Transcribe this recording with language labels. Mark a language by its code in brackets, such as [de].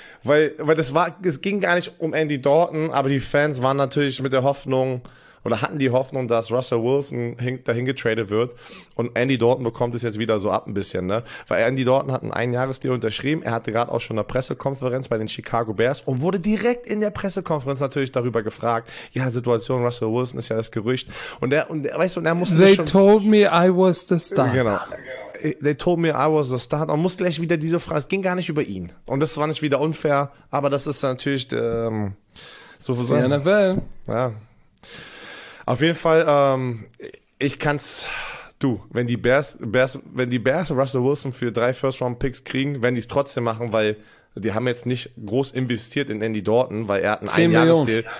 [de] Weil es ging gar nicht um Andy Dalton, aber die Fans waren natürlich mit der Hoffnung, oder hatten die Hoffnung, dass Russell Wilson dahin getradet wird und Andy Dalton bekommt es jetzt wieder so ab ein bisschen, ne? Weil Andy Dalton hat einen Einjahresdeal unterschrieben, er hatte gerade auch schon eine Pressekonferenz bei den Chicago Bears und wurde direkt in der Pressekonferenz natürlich darüber gefragt, ja, Situation, Russell Wilson ist ja das Gerücht und er musste [en] They schon... They told me I was the star. [de] Genau. [en] They told me I was the start. [de] Man muss gleich wieder diese Frage, es ging gar nicht über ihn. Und das war nicht wieder unfair, aber das ist natürlich sozusagen. Die NFL. Ja. Auf jeden Fall, ich kann's. Du, wenn die Bears Russell Wilson für 3 First-Round-Picks kriegen, werden die es trotzdem machen, weil die haben jetzt nicht groß investiert in Andy Dalton, weil er hat einen Einjahresdeal.